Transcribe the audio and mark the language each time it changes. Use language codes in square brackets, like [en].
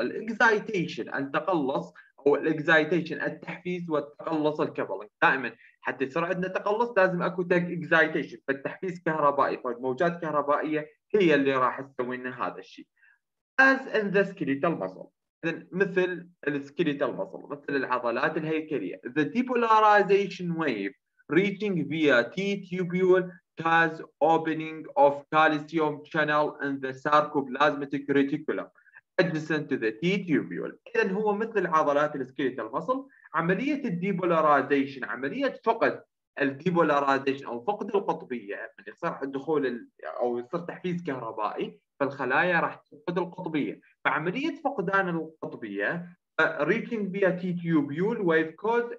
[ar] الاكزايتيشن التقلص او الاكزايتيشن التحفيز والتقلص الكبلنج، دائما حتى يصير عندنا تقلص لازم اكو تك اكزايتيشن، فالتحفيز كهربائي فالموجات كهربائيه هي اللي راح تسوي لنا هذا الشيء. [en] As in the skeletal muscle، [ar] اذا مثل السكيليتال muscle مثل العضلات الهيكليه. [en] The depolarization wave reaching via T-tubule has opening of calcium channel in the sarcoplasmic reticulum adjacent to the T-tubule. [ar] إذن هو مثل العضلات السكيليتال المصل، عملية الديبولاريزيشن، عملية فقد الديبولاريزيشن أو فقد القطبية، من يصير دخول أو يصير تحفيز كهربائي فالخلايا راح تفقد القطبية، فعملية فقدان القطبية [en] reaching via T-tubule wave cause.